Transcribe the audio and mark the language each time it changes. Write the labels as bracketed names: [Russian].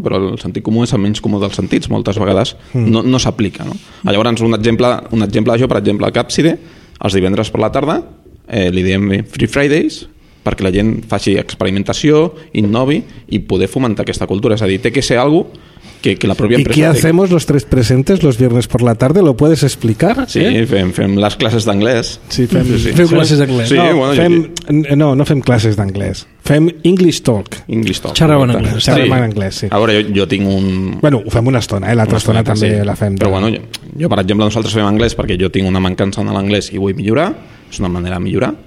[Catalan] Però el sentit comú és el menys comú dels sentits, moltes vegades no s'aplica. No? Llavors, un exemple d'això, per exemple, el Capside, els divendres per la tarda, li diem Free Fridays, perquè la gent faci experimentació, innovi i poder fomentar aquesta cultura. És a dir, té que ser algo que la pròpia empresa... [Spanish] ¿Y qué hacemos los tres presentes los viernes por la tarde? ¿Lo puedes explicar? [Catalan] Sí, eh? fem les classes d'anglès. Sí, fem classes d'anglès. Sí, bueno, fem, no, no fem classes d'anglès. Fem English Talk. English Talk. Xerrem en anglès. Xerrem en anglès, sí. A veure, jo tinc un... Bueno, ho fem una estona, eh? L'altra estona també sí. La fem. Però bueno, jo, per exemple, nosaltres fem anglès perquè jo tinc una mancança en l'anglès i vull millorar. És una manera de millorar.